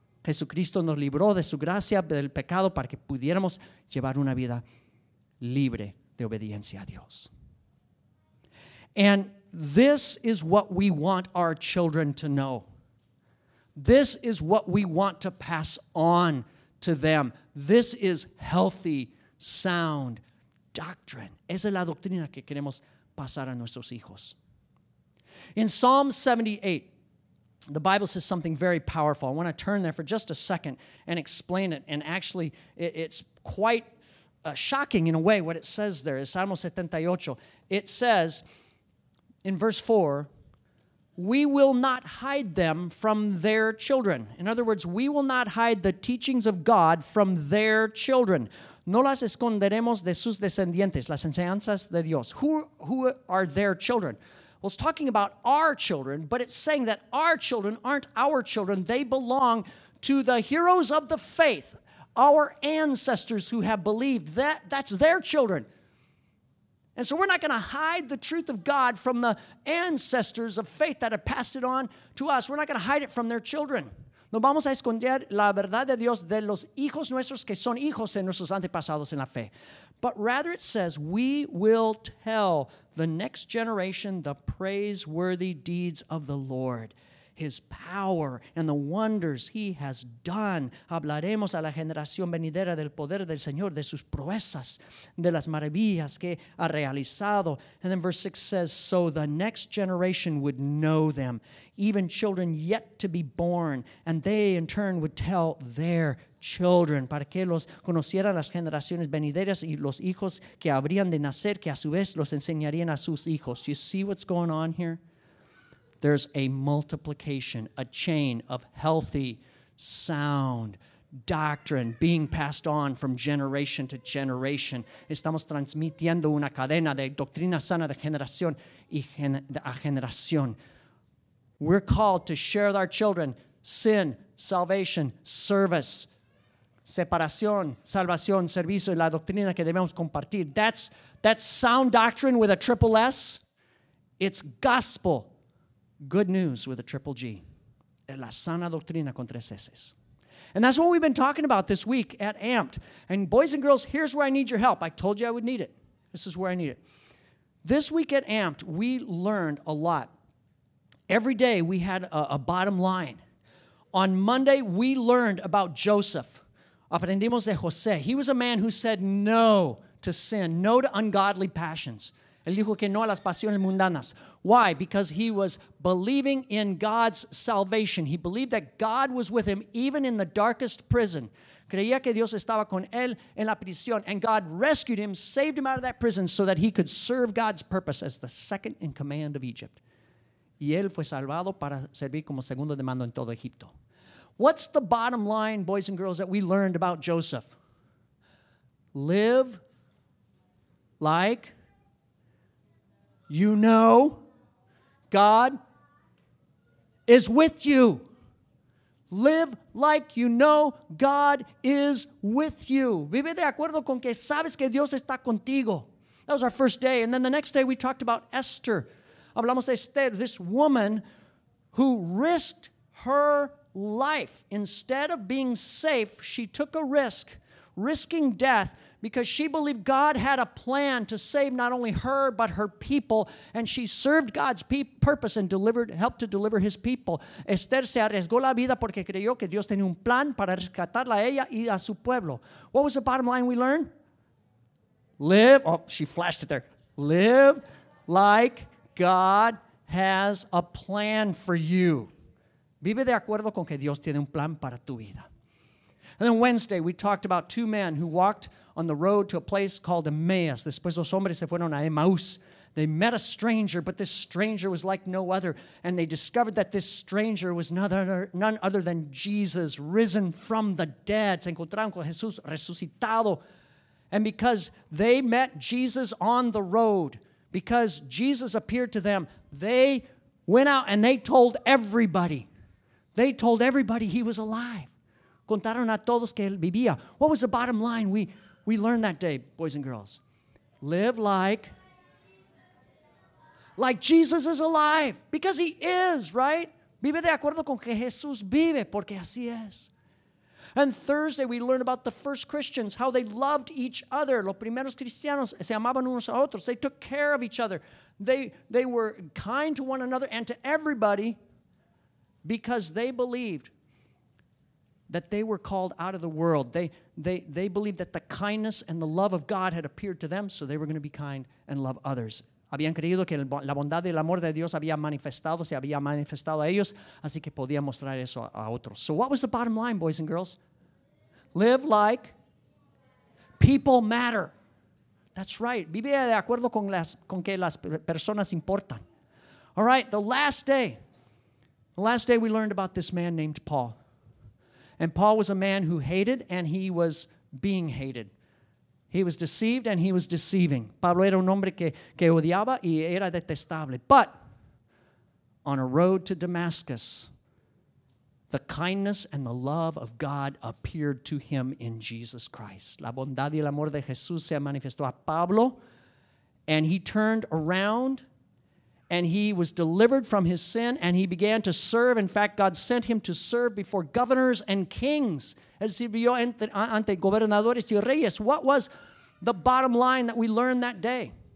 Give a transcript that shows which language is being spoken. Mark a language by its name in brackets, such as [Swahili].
[Spanish] Jesucristo nos libró de su gracia, del pecado, para que pudiéramos llevar una vida libre de obediencia a Dios. [English] And this is what we want our children to know. This is what we want to pass on to them. This is healthy, sound doctrine. [Spanish] Esa es la doctrina que queremos pasar a nuestros hijos. [English] In Psalm 78, the Bible says something very powerful. I want to turn there for just a second and explain it. And actually, it's quite shocking in a way what it says there. It's Salmo 78. It says in verse 4, we will not hide them from their children. In other words, we will not hide the teachings of God from their children. [Spanish] No las esconderemos de sus descendientes, las enseñanzas de Dios. [English] Who are their children? Well, it's talking about our children, but it's saying that our children aren't our children. They belong to the heroes of the faith, our ancestors who have believed. That's their children. And so we're not going to hide the truth of God from the ancestors of faith that have passed it on to us. We're not going to hide it from their children. [Spanish] No vamos a esconder la verdad de Dios de los hijos nuestros que son hijos de nuestros antepasados en la fe. [English] But rather it says, we will tell the next generation the praiseworthy deeds of the Lord, his power and the wonders he has done. [Spanish] Hablaremos a la generación venidera del poder del Señor, de sus proezas, de las maravillas que ha realizado. [English] And then verse 6 says, so the next generation would know them, even children yet to be born, and they in turn would tell their children, [Spanish] para que los conocieran las generaciones venideras y los hijos que habrían de nacer, que a su vez los enseñarían a sus hijos. [English] Do you see what's going on here? There's a multiplication, a chain of healthy, sound doctrine being passed on from generation to generation. [Spanish] Estamos transmitiendo una cadena de doctrina sana de generación a generación. [English] We're called to share with our children sin, salvation, service, [Spanish] separación, salvación, servicio, y la doctrina que debemos compartir. [English] That's sound doctrine with a triple S. It's gospel. Good news with a triple G. [Spanish] La sana doctrina con tres S's. [English] And that's what we've been talking about this week at AMPT. And boys and girls, here's where I need your help. I told you I would need it. This is where I need it. This week at AMPT, we learned a lot. Every day we had a bottom line. On Monday, we learned about Joseph. [Spanish] Aprendimos de José. [English] He was a man who said no to sin, no to ungodly passions. [Spanish] Él dijo que no a las pasiones mundanas. [English] Why? Because he was believing in God's salvation. He believed that God was with him even in the darkest prison. [Spanish] Creía que Dios estaba con él en la prisión. [English] And God rescued him, saved him out of that prison so that he could serve God's purpose as the second in command of Egypt. [Spanish] Y él fue salvado para servir como segundo de mando en todo Egipto. [English] What's the bottom line, boys and girls, that we learned about Joseph? Live like you know God is with you. Live like you know God is with you. [Spanish] Vive de acuerdo con que sabes que Dios está contigo. [English] That was our first day. And then the next day we talked about Esther. [Spanish] Hablamos de [English] Esther, this woman who risked her life. Instead of being safe, she took a risk, risking death, because she believed God had a plan to save not only her, but her people. And she served God's purpose and helped to deliver his people. [Spanish] Esther se arriesgó la vida porque creyó que Dios tenía un plan para rescatarla a ella y a su pueblo. [English] What was the bottom line we learned? Live. Oh, she flashed it there. Live like God has a plan for you. [Spanish] Vive de acuerdo con que Dios tiene un plan para tu vida. [English] And then Wednesday, we talked about two men who walked on the road to a place called Emmaus. [Spanish] Después los hombres se fueron a Emmaus. [English] They met a stranger, but this stranger was like no other. And they discovered that this stranger was none other than Jesus, risen from the dead. [Spanish] Se encontraron con Jesús resucitado. [English] And because they met Jesus on the road, because Jesus appeared to them, they went out and they told everybody. They told everybody he was alive. [Spanish] Contaron a todos que él vivía. [English] What was the bottom line we learned that day, boys and girls? Live like Jesus is alive, because he is, right? [Spanish] Vive de acuerdo con que Jesús vive, porque así es. [English] And Thursday, we learned about the first Christians, how they loved each other. [Spanish] Los primeros cristianos se amaban unos a otros. [English] They took care of each other. They were kind to one another and to everybody, because they believed that they were called out of the world. They believed that the kindness and the love of God had appeared to them, so they were going to be kind and love others. [Spanish] Habían creído que la bondad y el amor de Dios se había manifestado a ellos, así que podían mostrar eso a otros. [English] So what was the bottom line, boys and girls? Live like people matter. That's right. [Spanish] Vive de acuerdo con que las personas importan. [English] All right, the last day we learned about this man named Paul. And Paul was a man who hated, and he was being hated. He was deceived, and he was deceiving. [Spanish] Pablo era un hombre que odiaba y era detestable. [English] But on a road to Damascus, the kindness and the love of God appeared to him in Jesus Christ. [Spanish] La bondad y el amor de Jesús se manifestó a Pablo [English] and he turned around and he was delivered from his sin and he began to serve. In fact, God sent him to serve before governors and kings. [Spanish] Él sirvió ante gobernadores y reyes. [English] What was the bottom line that we learned that day?